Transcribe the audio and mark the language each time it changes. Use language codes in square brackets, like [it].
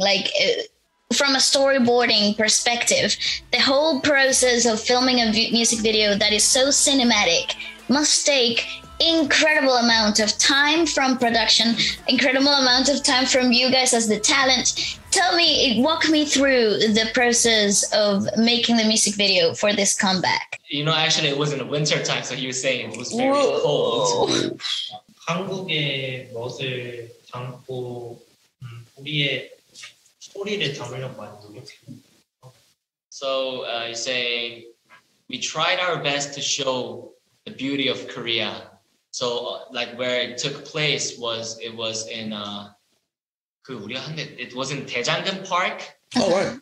[en] Like from a storyboarding perspective, the whole process of filming a music video that is so cinematic must take incredible amount of time from production, incredible amount of time from you guys as the talent. Tell me, walk me through the process of making the music video for this comeback. You know, actually it was in the winter time, so he was saying it was very Whoa. cold. [ko] 한국의 멋을 담고 우리의 소리를 담으려고 만든 거. [en] So you say we tried our best to show the beauty of Korea. So like where it took place was it was in Daejanggeum Park. Oh right.